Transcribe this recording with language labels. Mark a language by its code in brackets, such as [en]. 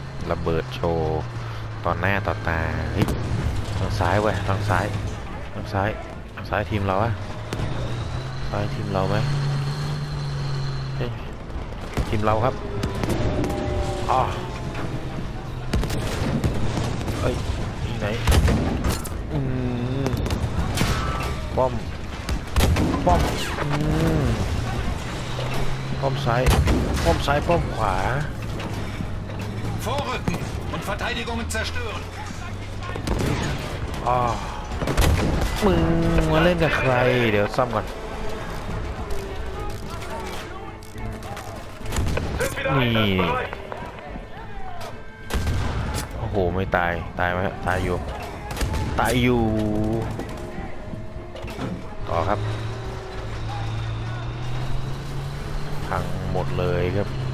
[th] ระเบิดโชว์ต่อหน้าต่อตาทางซ้ายเว้ยทางซ้ายทางซ้ายทางซ้ายทีมเราอะซ้ายทีมเราไหมทีมเราครับเฮ้ยที่ไหนป้อมป้อมป้อมซ้ายป้อมซ้ายป้อมขวา [de] Vorrücken und Verteidigungen zerstören [th] มึงมาเล่นกับใครเดี๋ยวซ่อมก่อนนี่โอ้โหไม่ตายตายไหมตายอยู่ตายอยู่ต่อครับพังหมดเลยครับ